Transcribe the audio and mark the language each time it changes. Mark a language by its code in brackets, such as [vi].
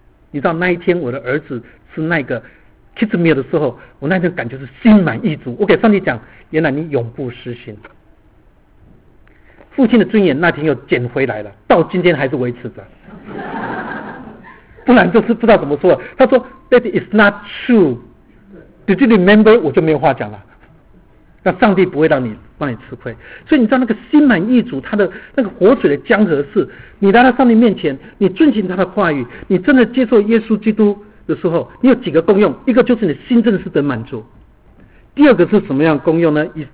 [zh] 你知道那一天我的儿子吃那个 kids meal 的时候，我那天感觉是心满意足。我给上帝讲，原来你永不失信。父亲的尊严那天又捡回来了，到今天还是维持着。不然就是不知道怎么说了。 [en] 他说 ："That is not true. Did you remember?" [zh] 我就没有话讲了。那上帝不会让你吃亏，所以你知道那个心满意足，他的那个活水的江河是，你来到上帝面前，你遵循他的话语，你真的接受耶稣基督的时候，你有几个功用，一个就是你的心真的是得满足，第二个是什么样功用呢？